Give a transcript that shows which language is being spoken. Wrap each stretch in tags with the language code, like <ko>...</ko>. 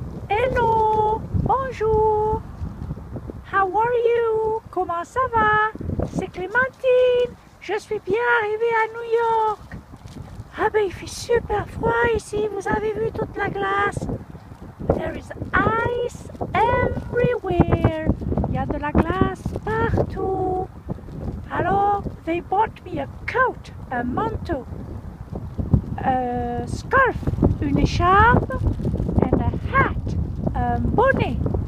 <en>Hello, bonjour, how are you?</en> <fr>Comment ça va? C'est Clémentine, je suis bien arrivée à New York. Ah ben il fait super froid ici, vous avez vu toute la glace?</fr> <en>There is ice everywhere.</en> <fr>Il y a de la glace partout.</fr> <en>Alors, they bought me a coat, a manteau, a scarf,</en> <fr>une écharpe,</fr> <en>and a hat,</en> <fr>un bonnet.</fr>